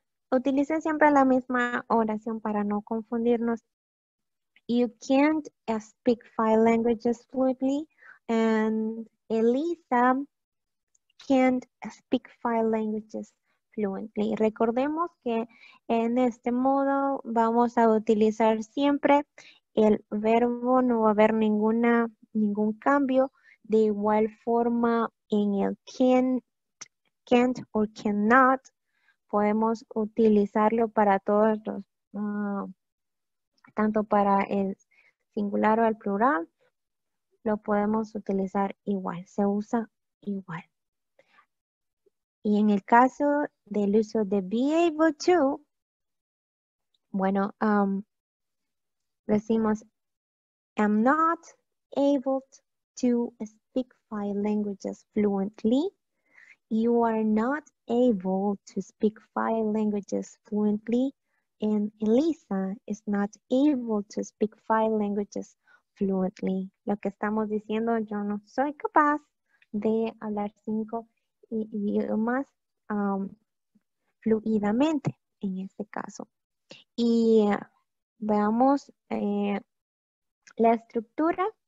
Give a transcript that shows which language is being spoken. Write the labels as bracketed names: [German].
[Spanish] Utilice siempre la misma oración para no confundirnos. [English] You can't speak 5 languages fluently, and Elisa can't speak 5 languages fluently. [Spanish] Recordemos que en este modo vamos a utilizar siempre el verbo, no va a haber ningún cambio. De igual forma en el can't or cannot, podemos utilizarlo para todos los, tanto para el singular o el plural, lo podemos utilizar igual, se usa igual. Y en el caso del uso de [English] be able to, [Spanish] bueno, decimos, [English] I'm not able to speak 5 languages fluently. You are not able to speak 5 languages fluently. And Elisa is not able to speak 5 languages fluently. [Spanish] Lo que estamos diciendo, yo no soy capaz de hablar 5 idiomas fluidamente en este caso. Y veamos la estructura.